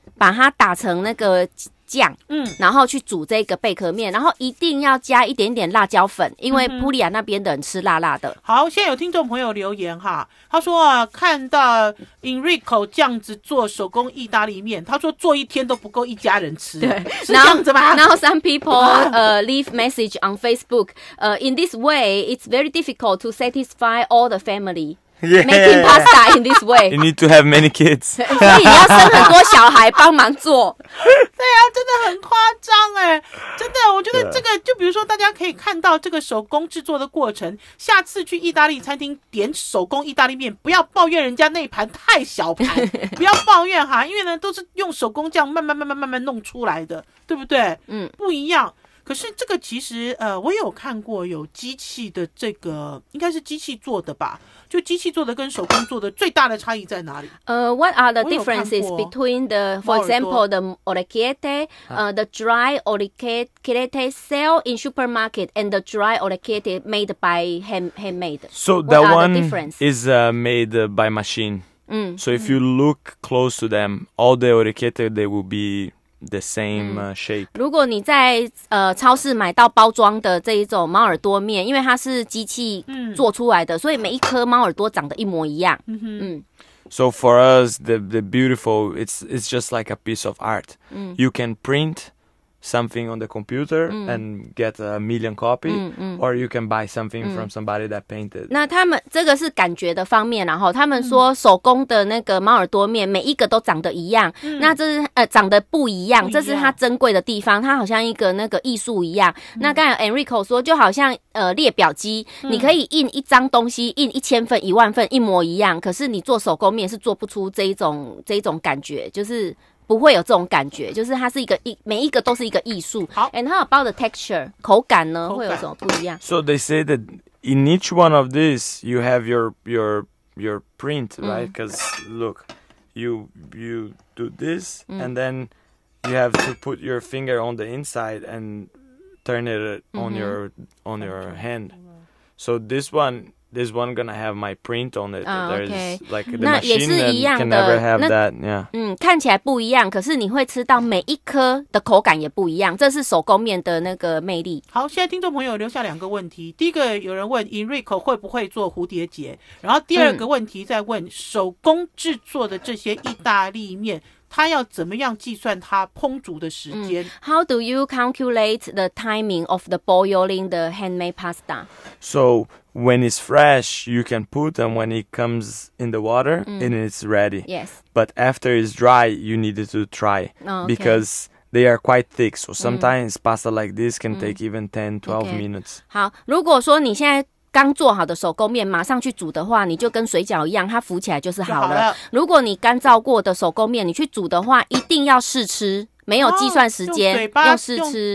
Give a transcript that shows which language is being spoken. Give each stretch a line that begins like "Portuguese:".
Chinese: 把它打成那个酱，然后去煮这个贝壳面，然后一定要加一点点辣椒粉，因为普利亚那边的人吃辣辣的。好，现在有听众朋友留言哈，他说啊，看到 Enrico 这样子做手工意大利面，他说做一天都不够一家人吃，对，是这样子吧？
English: Now some people leave message on Facebook. In this way, it's very difficult to satisfy all the family. Yeah. Making pasta in this way, you need to have many kids.
Chinese: 所以你要生很多小孩帮忙做。对啊，真的很夸张哎，真的，我觉得这个就比如说，大家可以看到这个手工制作的过程。下次去意大利餐厅点手工意大利面，不要抱怨人家那盘太小盘，不要抱怨哈，因为呢都是用手工这样慢慢弄出来的，对不对？不一样。可是这个其实我有看过有机器的，这个应该是机器做的吧，就机器做的跟手工做的最大的差异在哪里？
English: What are the differences between the, for example, the orecchiette, the dry orecchiette sell in supermarket and the dry orecchiette made by handmade? So that one is made by machine. So if you look close to them, all the orecchiette, they will bebe the same shape.
Chinese: 如果你在超市买到包装的这一种猫耳朵面，因为它是机器做出来的，所以每一颗猫耳朵长得一模一样。
English: So for us, the beautiful, it's just like a piece of art. You can print something on the computer and get a million copy, or you can buy something from somebody that painted.
Chinese: 那他们这个是感觉的方面，然后他们说手工的那个猫耳朵面每一个都长得一样，那这是长得不一样，这是它珍贵的地方，它好像一个那个艺术一样。那刚才 Enrico 说，就好像列表机，你可以印一张东西，印一千份、一万份一模一样，可是你做手工面是做不出这一种感觉，就是。不会有这种感觉，就是它是一个每一个都是一个艺术。好
English: ，and how about the texture
Chinese: 口感呢？会有什么不一样
English: ？So they say that in each one of these, you have your print, right? Because look, you do this, and then you have to put your finger on the inside and turn it on your hand. So this one gonna have my print on it. There's like the machine that can never have that. Yeah.
Chinese: 看起来不一样，可是你会吃到每一颗的口感也不一样，这是手工面的那个魅力。好，现在听众朋友留下两个问题。第一个有人问 Enrico 会不会做蝴蝶结，然后第二个问题在问手工制作的这些意大利面，他要怎么样计算他烹煮的时间？
English: How do you calculate the timing of the boiling the handmade pasta? So when it's fresh, you can put, and when it comes in the water, and it's ready. Yes. But after it's dry, you need to try. Oh, okay. Because they are quite thick. So sometimes pasta like this can take even 10, 12 minutes.
Chinese: 好，如果说你现在刚做好的手工面马上去煮的话，你就跟水饺一样，它浮起来就是好了。如果你干燥过的手工面你去煮的话，一定要试吃，没有计算时间，要试吃，